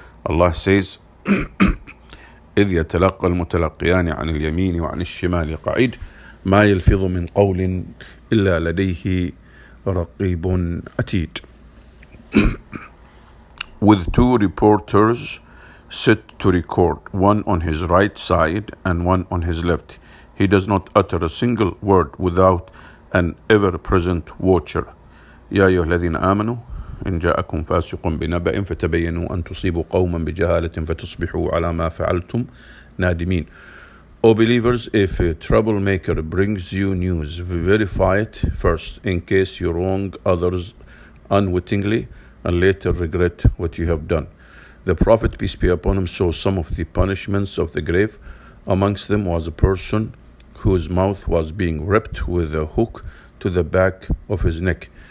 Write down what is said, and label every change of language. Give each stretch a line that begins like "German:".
English: Allah says,
Arabic: إِذْ يَتَلَقَّى الْمُتَلَقِّيَانِ عَنِ الْيَمِينِ وَعَنِ الشِّمَالِ قَعِيدٌ مَا يَلْفِظُ مِنْ قَوْلٍ إِلَّا لَدَيْهِ رَقِيبٌ عَتِيدٌ.
English: With two reporters set to record, one on his right side and one on his left, he does not utter a single word without an ever-present watcher.
Arabic: يَا أَيُّهَا الَّذِينَ آمَنُوا إن جاءكم فاسق بنبأ فتبينوا أن تصيبوا قوما بجهالة فتصبحوا على ما فعلتم نادمين.
English: O believers, if a troublemaker brings you news, verify it first in case you wrong others unwittingly and later regret what you have done. The Prophet, peace be upon him, saw some of the punishments of the grave. Amongst them was a person whose mouth was being ripped with a hook to the back of his neck.